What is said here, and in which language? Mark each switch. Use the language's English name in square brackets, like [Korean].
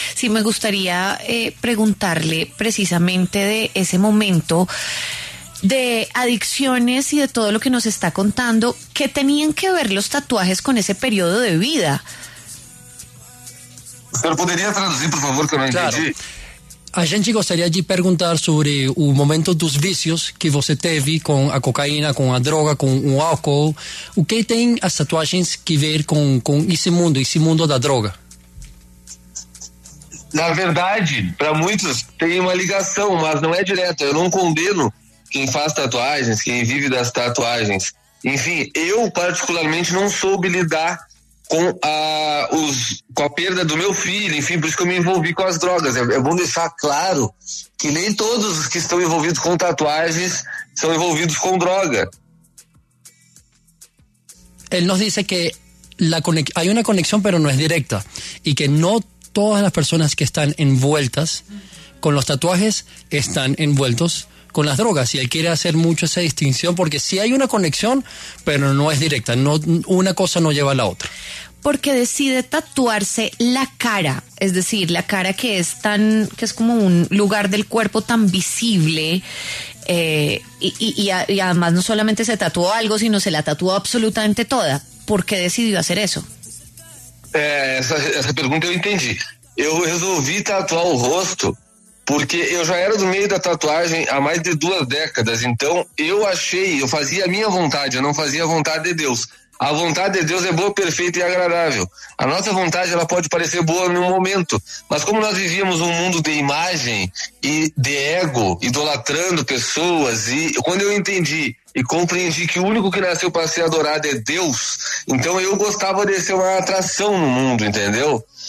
[Spanish] Sí, me gustaría preguntarle precisamente de ese momento de adicciones y de todo lo que nos está contando, ¿qué tenían que ver los tatuajes con ese periodo de vida? ¿Pero podría traducir, por favor, que no entendí? Claro. [Portuguese] A gente gostaria de perguntar sobre o momento dos vícios que você teve com a cocaína, com a droga, com o álcool. O que tem as tatuagens que ver com esse mundo da droga? Na verdade, para muitos tem uma ligação, mas não é direta. Eu não condeno quem faz tatuagens, quem vive das tatuagens. Enfim, eu particularmente não soube lidar com a perda do meu filho, enfim, por isso que eu me envolvi com as drogas. É bom deixar claro que nem todos os que estão envolvidos com tatuagens são envolvidos com droga. Ele nos disse que há uma conexão, mas não é direta, e que não todas as pessoas que estão envueltas com os tatuagens estão envueltos [Spanish] con las drogas, y él quiere hacer mucho esa distinción, porque sí hay una conexión, pero no es directa, no, una cosa no lleva a la otra. Porque decide tatuarse la cara, es decir, la cara que es tan, que es como un lugar del cuerpo tan visible, y además no solamente se tatuó algo, sino se la tatuó absolutamente toda. ¿Por qué decidió hacer eso? Esa pregunta yo entendí. Yo resolví tatuar el rostro porque [Portuguese] eu já era do meio da tatuagem há mais de 2 décadas, então eu fazia a minha vontade, eu não fazia a vontade de Deus. A vontade de Deus é boa, perfeita e agradável. A nossa vontade, ela pode parecer boa num momento, mas como nós vivíamos um mundo de imagem e de ego, idolatrando pessoas, e quando eu entendi e compreendi que o único que nasceu para ser adorado é Deus, então eu gostava de ser uma atração no mundo, entendeu?